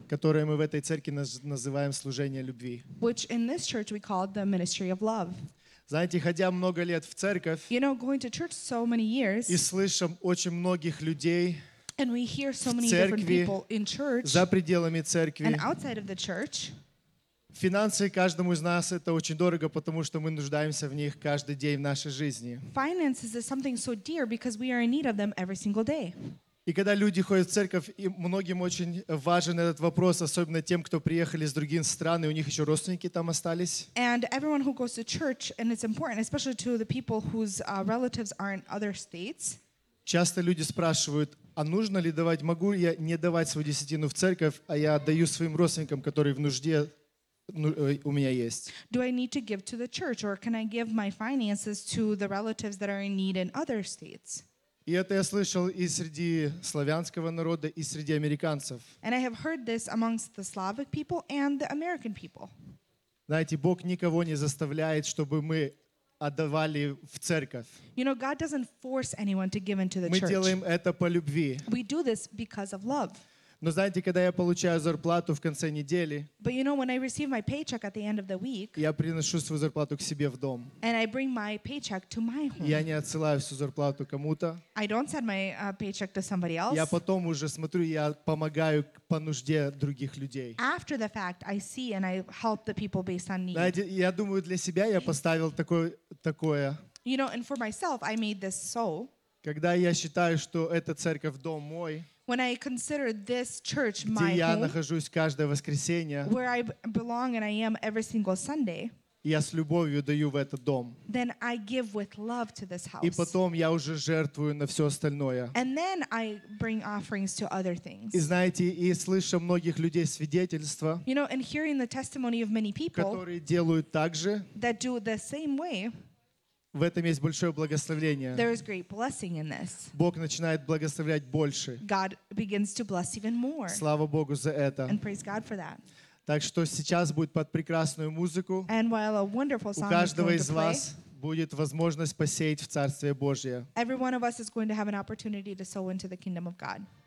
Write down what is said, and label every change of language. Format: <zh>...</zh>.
<ru>Которое мы в этой церкви называем служение любви.</ru> <en>Which in this church we call the ministry of love.</en> <ru>Знаете, ходя много лет в церковь.</ru> <en>You know, going to church so many years.</en> <ru>И слышим очень многих людей.</ru> <en>And we hear so many</en> <ru>церкви,</ru> <en>different people in church.</en> <ru>За пределами церкви.</ru> <en>And outside of the church.</en> <ru>Финансы каждому из нас это очень дорого, потому что мы нуждаемся в них каждый день в нашей жизни.</ru> <en>Finances is something so dear because we are in need of them every single day.</en> <ru>И когда люди ходят в церковь, многим очень важен этот вопрос, особенно тем, кто приехали из других стран, и у них еще родственники там остались.</ru> <en>And everyone who goes to church, and it's important, especially to the people whose relatives are in other states.</en> <ru>Часто люди спрашивают, а нужно ли давать, могу я не давать свою десятину в церковь, а я отдаю своим родственникам, которые в нужде.</ru> <en>Do I need to give to the church, or can I give my finances to the relatives that are in need in other states?</en> <ru>И это я слышал и среди славянского народа, и среди американцев.</ru> <en>And I have heard this amongst the Slavic people and the American people.</en> <ru>Знаете, Бог никого не заставляет, чтобы мы отдавали в церковь.</ru> <en>You know, God doesn't force anyone to give into the church.</en> <ru>Мы делаем это по любви.</ru> <en>We do this because of love.</en> <ru>Но знаете, когда я получаю зарплату в конце недели,</ru> <en>but you know, when I receive my paycheck at the end of the week,</en> <ru>я приношу свою зарплату к себе в дом.</ru> <en>And I bring my paycheck to my home.</en> <ru>Я не отсылаю всю зарплату кому-то.</ru> <en>I don't send my paycheck to somebody else.</en> <ru>Я потом уже смотрю, я помогаю по нужде других людей.</ru> <en>After the fact, I see and I help the people based on need.</en> <ru>Знаете, я думаю, для себя я поставил такое.</ru> <en>You know, and for myself, I made this so.</en> <ru>Когда я считаю, что эта церковь дом мой,</ru> <en>when I consider this church my home, where I belong and I am every single Sunday,</en> <ru>я с любовью даю в этот дом.</ru> <en>Then I give with love to this house.</en> <ru>И потом я уже жертвую на все остальное.</ru> <en>And then I bring offerings to other things.</en> <ru>И знаете, и слышу многих людей свидетельства,</ru> <en>you know, and hearing the testimony of many people,</en> <ru>которые делают так же,</ru> <en>that do the same way,</en> <ru>в этом есть большое благословение.</ru> <en>There is great blessing in this.</en> <ru>Бог начинает благословлять больше.</ru> <en>God begins to bless even more.</en> <ru>Слава Богу за это.</ru> <en>And praise God for that.</en> <ru>Так что сейчас будет под прекрасную музыку.</ru> <en>And while a wonderful song</en> <ru>у каждого</ru> <en>is going</en> <ru>из вас будет возможность посеять в Царствие Божие.</ru> <en>Every one of us is going to have an opportunity to sow into the kingdom of God.</en>